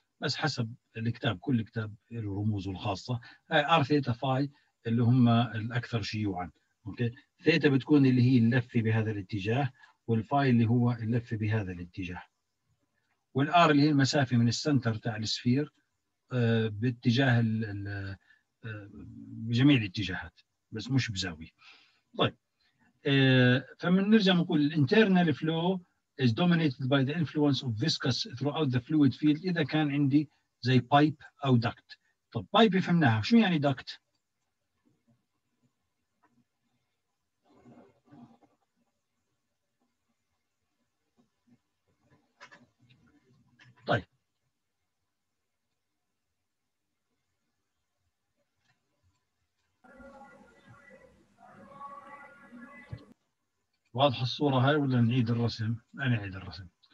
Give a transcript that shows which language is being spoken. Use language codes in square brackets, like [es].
[ar] بس حسب الكتاب كل كتاب الرموز الخاصة هاي R ثيتا فاي اللي هم الأكثر شيوعا ممكن. ثيتا بتكون اللي هي اللفة بهذا الاتجاه، والفاي اللي هو اللفة بهذا الاتجاه، والآر اللي هي المسافة من السنتر تاع السفير باتجاه الـ بجميع الاتجاهات بس مش بزاوية. طيب فمن نرجع نقول [en] internal flow is dominated by the influence of viscous throughout the fluid field. [ar] إذا كان عندي زي pipe أو duct، طب pipe يفهمناها شو يعني duct؟ واضح الصورة هاي ولا نعيد الرسم؟ أنا أعيد الرسم.